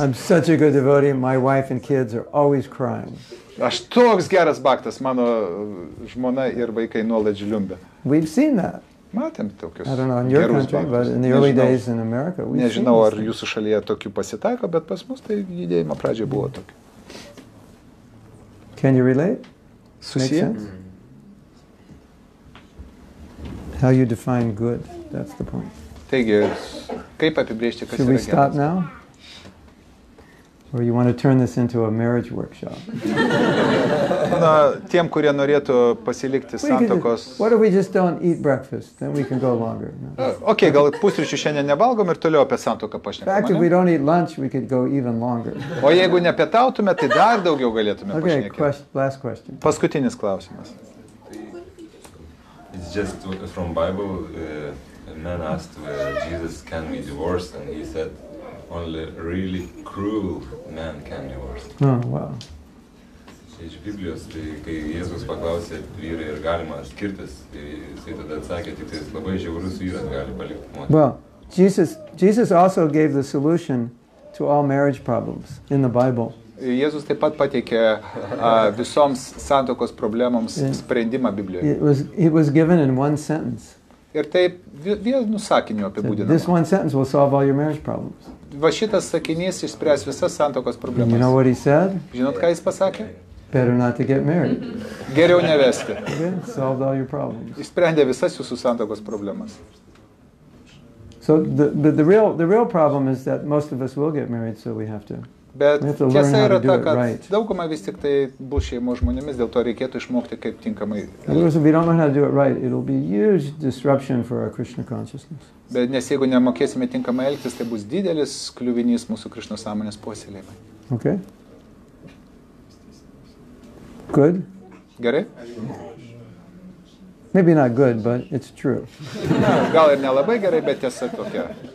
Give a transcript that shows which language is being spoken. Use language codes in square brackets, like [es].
[en] I'm such a good devotee, my wife and kids are always crying. [lt] Aš toks geras baktas, mano žmona ir vaikai nuolat žliumbia. [en] We've seen that. [lt] Matėm tokius. [en] I don't know in your country, but in the early days in America, we [lt] nežinau, ar jūsų šalyje tokių pasitaiko, bet pas mus tai judėjimo pradžioje buvo tokio. [en] Can you relate? [lt] Susiję? [en] How you define good? That's the point. [lt] Taigi, kaip apibrėžti, kas yra geras? [en] Should we stop now? Or you want to turn this into a marriage workshop? [lt] Na, tiem, kurie norėtų pasilikti santokos. [en] What if we just don't eat breakfast? Then we can go longer. No. [lt] Okay, gal pusryčių šiandien nevalgom ir toliau apie santoką pašnekam. [en] In fact, if we don't eat lunch, we could go even longer. [lt] O jeigu nepietautume, tai dar daugiau galėtume pašnekėti. [en] Okay, last question. [lt] Paskutinis klausimas. [en] It's just from Bible, a man asked Jesus, can we divorce? And he said, only really cruel man can divorce. Oh, wow. [lt] Iš Biblijos, tai kai Jėzus paklausė vyrai ir galima skirtis, jisai tada atsakė, tik tai labai žiaurus vyras gali palikti moterį. [en] Well, Jesus also gave the solution to all marriage problems in the Bible. [lt] Jėzus taip pat pateikė visoms santokos problemoms sprendimą Biblijoje. [en] It was given in one sentence. [lt] Ir taip vienu sakiniu apibūdinama. [en] This one sentence will solve all your marriage problems. [lt] Va šitas sakinys išspręs visas santokos problemas. [en] You know what he said? [lt] Žinot, ką jis pasakė? [en] Better not to get married. [lt] Geriau nevesti. [en] Okay, solved all your problems. [lt] Išsprendė visas jūsų santokos problemas. [en] So the real problem is that most of us will get married, so we have to. [lt] Bet tiesa yra ta, kad [en] right. [lt] Dauguma vis tik tai bus šeimos žmonėmis, dėl to reikėtų išmokti kaip tinkamai. [en] Because if we don't know how to do it right, it'll be a huge disruption for our Krishna consciousness. [lt] Bet nes jeigu nemokėsime tinkamai elgtis, tai bus didelis kliuvinys mūsų Krishna sąmonės puoselėjimai. [en] Okay. Good? [lt] Gerai? [en] Maybe not good, but it's true. [lt] Gal ir nelabai gerai, bet tiesa tokia.